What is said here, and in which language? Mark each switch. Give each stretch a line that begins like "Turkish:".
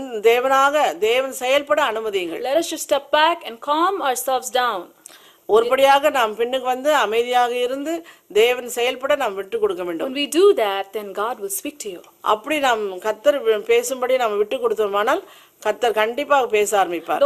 Tamil: தேவனாக தேவன் செயல்பட அனுமதியுங்கள்.
English: Let us just step back and calm ourselves down.
Tamil: ஒருபடியாக நாம் பின்னுக்கு வந்து அமைதியாக இருந்து தேவன் செயல்பட நாம் விட்டு கொடுக்க வேண்டும்.
English: When we do that, then God will speak to you.
Tamil: அப்படி நாம் கர்த்தர் பேசும்படி நாம் விட்டு கொடுத்தோமானால் கர்த்தர் கண்டிப்பாக பேச ஆரம்பிப்பார்.